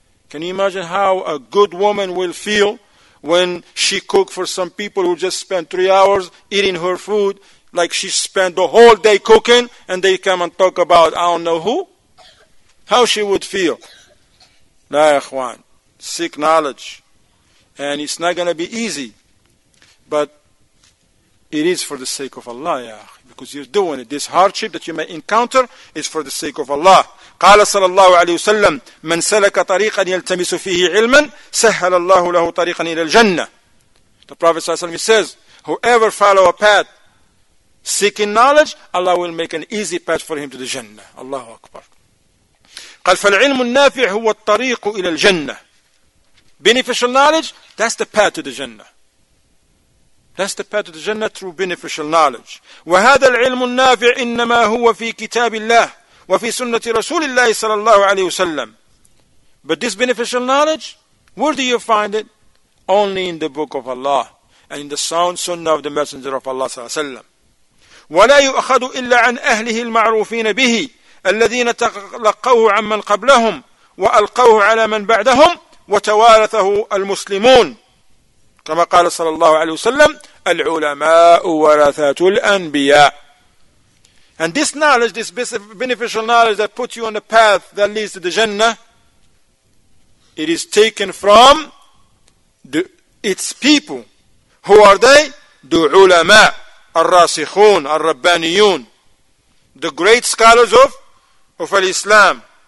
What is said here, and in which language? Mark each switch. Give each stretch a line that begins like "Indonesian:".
English: Can you imagine how a good woman will feel when she cooks for some people who just spent 3 hours eating her food, like she spent the whole day cooking, and they come and talk about I don't know who? How she would feel? La ikhwan, seek knowledge. And it's not going to be easy, but it is for the sake of Allah, ya akhi. Because you're doing it. This hardship that you may encounter is for the sake of Allah.
Arabic: قال صلى الله عليه وسلم من سلك طريقا يلتمس فيه علما سهل الله له طريقا إلى الجنة.
English: The Prophet
Arabic: صلى الله عليه وسلم
English: says, whoever follow a path seeking knowledge, Allah will make an easy path for him to the Jannah.
Arabic: Allahu Akbar. قال فالعلم النافع هو الطريق إلى الجنة.
English: Beneficial knowledge, that's the path to the Jannah. That's the path to the Jannah through beneficial knowledge.
Arabic: وهذا العلم النافع إنما هو في كتاب الله وفي سنة رسول الله صلى الله عليه وسلم.
English: But this beneficial knowledge, where do you find it? Only in the book of Allah and in the sound sunnah of the Messenger of Allah
Arabic: صلى الله عليه وسلم. ولا يؤخذ إلا عن أهله المعروفين به الذين تلقوه عمن قبلهم وألقوه على من بعدهم وتوارثه المسلمون. كما قال صلى الله عليه وسلم العلماء ورثة الأنبياء.
English: And this knowledge, this beneficial knowledge that puts you on the path that leads to the Jannah, it is taken from its people. Who are they? The ulama,
Arabic: الراسخون, الربانيون,
English: the great scholars of Islam.